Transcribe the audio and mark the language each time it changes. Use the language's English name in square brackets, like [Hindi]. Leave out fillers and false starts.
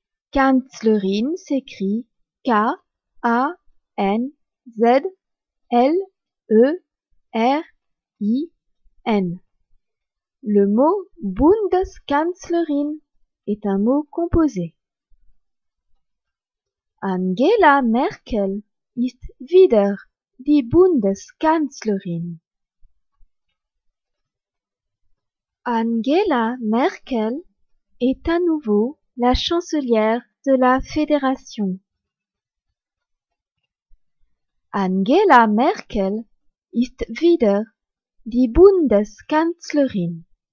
[French] Kanzlerin s'écrit K, A, N, Z, L, E, R, I, N. Le mot Bundeskanzlerin est un mot composé. [German] Angela Merkel ist wieder die Bundeskanzlerin. [French] Angela Merkel est à nouveau la chancelière de la fédération. [German] Angela Merkel ist wieder die Bundeskanzlerin.